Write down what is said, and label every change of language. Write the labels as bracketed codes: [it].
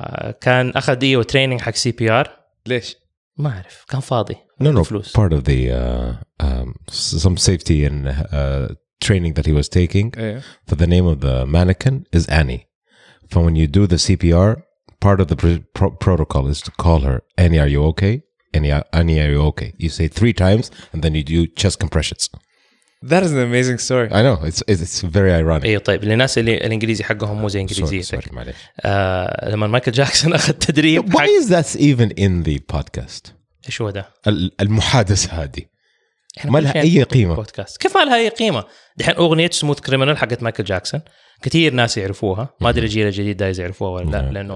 [ar] كان أخذ إيوه تريننج حق CPR. ليش؟ ما أعرف. كان فاضي. [en] No. [ar] فلوس. [en] Part of the some safety and training that he was taking. [ar] إيه. [en] For the name of the mannequin is Annie. For when you do the CPR, part of the protocol is to call her. Annie, are you okay? Annie, are you okay? You say three times, and then you do chest compressions. That is an amazing story. I know it's very ironic. [ar] إيه طيب للناس اللي الإنجليزي حقهم مو زي إنجليزي. لما مايكل جاكسون أخذ تدريب. [en] Why is that even in the podcast? [ar] إيش هو ده؟ المحادثة هذه. ما لها أي قيمة. بودكاست. كيف ما لها أي قيمة؟ دحين أغنية سموث كريمنال حقت مايكل جاكسون كثير ناس يعرفوها. ما أدري الجيل الجديد دايز يعرفوها ولا لا لأنه.